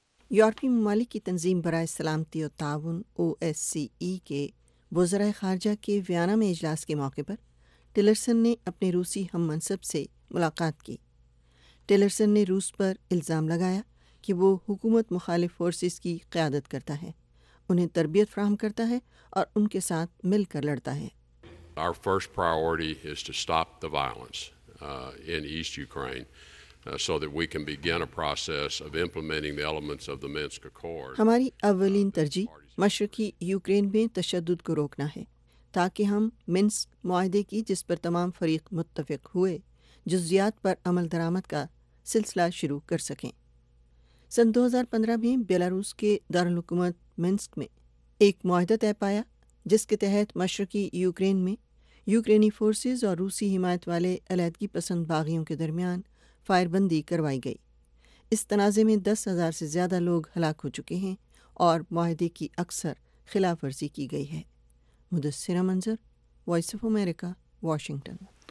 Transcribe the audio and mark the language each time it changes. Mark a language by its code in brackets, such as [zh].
[ur] یورپی ممالک کی تنظیم برائے سلامتی و تعاون OSCE کے وزراء خارجہ کے ویانا میں اجلاس کے موقع پر ٹیلرسن نے اپنے روسی ہم منصب سے ملاقات کی. ٹیلرسن نے روس پر الزام لگایا کہ وہ حکومت مخالف فورسز کی قیادت کرتا ہے، انہیں تربیت فراہم کرتا ہے اور ان کے ساتھ مل کر لڑتا ہے۔ [en] Our first priority is to stop the violence in East Ukraine so that we can begin a process of implementing the elements of the Minsk Accord. [ur] ہماری اولین ترجیح مشرقی یوکرین میں تشدد کو روکنا ہے، تاکہ ہم منسک معاہدے کی، جس پر تمام فریق متفق ہوئے، جزیات پر عمل درآمد کا سلسلہ شروع کر سکیں۔ سن 2015 میں بیلاروس کے دارالحکومت منسک میں ایک معاہدہ طے پایا جس کے تحت مشرقی یوکرین میں یوکرینی فورسز اور روسی حمایت والے علیحدگی پسند باغیوں کے درمیان فائر بندی کروائی گئی۔ اس تنازع میں 10,000 سے زیادہ لوگ ہلاک ہو چکے ہیں اور معاہدے کی اکثر خلاف ورزی کی گئی ہے۔ مدثرہ منظر، وائس آف امریکہ، واشنگٹن۔